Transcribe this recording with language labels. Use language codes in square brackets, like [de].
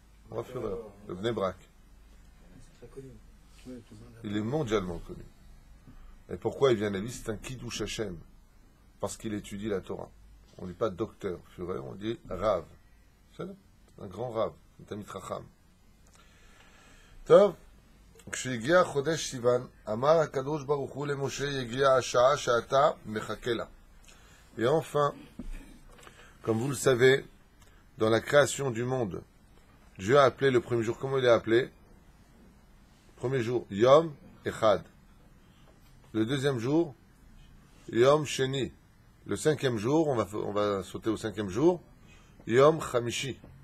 [fr] Le Rav Führer, le Bnei Brak. Il est mondialement connu. Et pourquoi il vient à lui? C'est un Kiddush Hashem. Parce qu'il étudie la Torah. On ne dit pas docteur Führer, on dit Rav. C'est un grand Rav. [he] טוב, כשהגיע חודש סיוון, אמר הקדוש ברוך הוא למשה, הגיע השעה שאתה מחכה לה. [fr] Et enfin, comme vous le savez, dans la création du monde, Dieu a appelé le premier jour, comment il est appelé? Premier jour, Yom Echad. Le deuxième jour, Yom Sheni. Le cinquième jour, on va sauter au cinquième jour, Yom Chamishi.